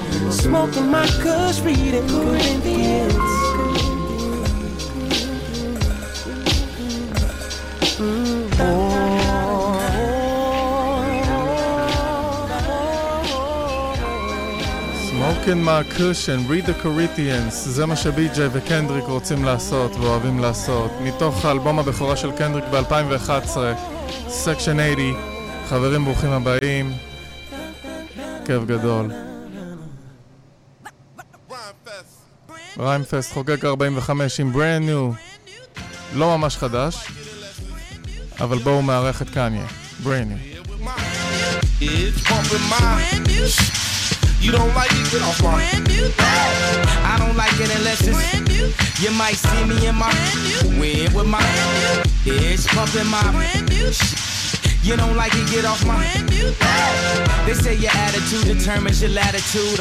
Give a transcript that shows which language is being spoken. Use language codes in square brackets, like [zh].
[en] Smoking my Kush, reading Corinthians. Smoking my cushion, read the Corinthians. [he] זה מה שבי-ג'יי וקנדריק רוצים לעשות ואוהבים לעשות. מתוך האלבום הבכורה של קנדריק ב-2011, Section 80. חברים, ברוכים הבאים. כיף גדול. ריים פסט חוגג 45 עם brand new. לא ממש חדש, אבל בואו מערך את קניה. [en] brand new. You don't like it, get off my I don't like it unless it's brand new. You might see me in my wind with my it's pumping my brand new. You don't like it, get off my brand new. They say your attitude determines your latitude.